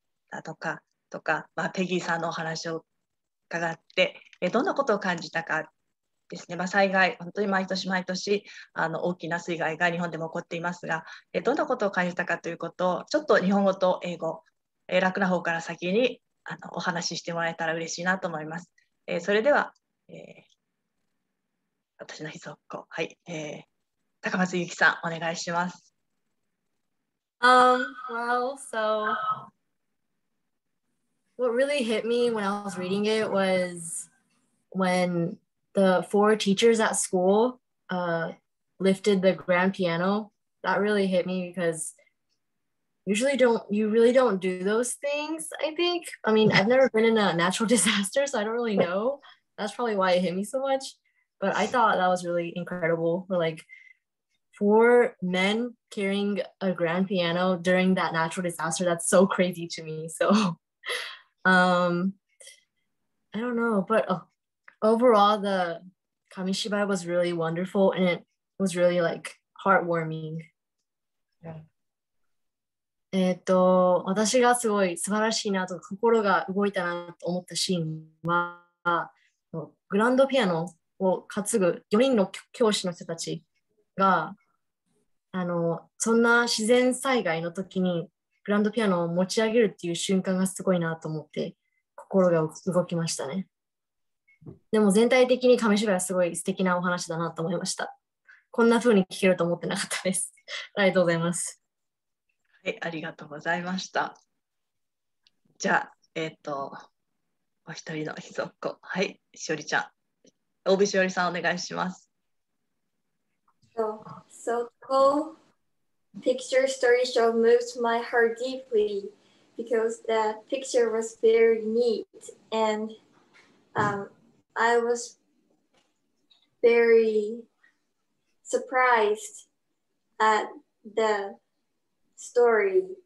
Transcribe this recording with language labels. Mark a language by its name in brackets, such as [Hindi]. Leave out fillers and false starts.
[Japanese] たとか、とか、まあ、ペギーさんのお話を伺って、どんなことを感じたかですね、まあ、災害、本当に毎年毎年あの大きな水害が日本でも起こっていますが、どんなことを感じたかということを、ちょっと日本語と英語、楽な方から先にあのお話ししてもらえたら嬉しいなと思います。それでは、私の秘蔵っ子、はい、高松ゆきさん、お願いします。 [English] Well, so what really hit me when I was reading it was when the four teachers at school lifted the grand piano. That really hit me becauseUsually don't, you really don't do those things, I think. I mean, I've never been in a natural disaster, so I don't really know. That's probably why it hit me so much. But I thought that was really incredible. Like, four men carrying a grand piano during that natural disaster, that's so crazy to me. So, I don't know. But overall, the Kamishibai was really wonderful and it was really like heartwarming. Yeah. [Japanese] 私がすごい素晴らしいなと心が動いたなと思ったシーンは、グランドピアノを担ぐ4人の教師の人たちが、そんな自然災害の時にグランドピアノを持ち上げるっていう瞬間がすごいなと思って心が動きましたね。でも全体的に紙芝居はすごい素敵なお話だなと思いました。こんな風に聞けると思ってなかったです。ありがとうございます。はい、ありがとうございました。じゃあ、お一人のひそっこ。はい、しおりちゃん。大部しおりさん、お願いします。 [English] So cool. Picture story show moved my heart deeply because the picture was very neat and I was very surprised at the story.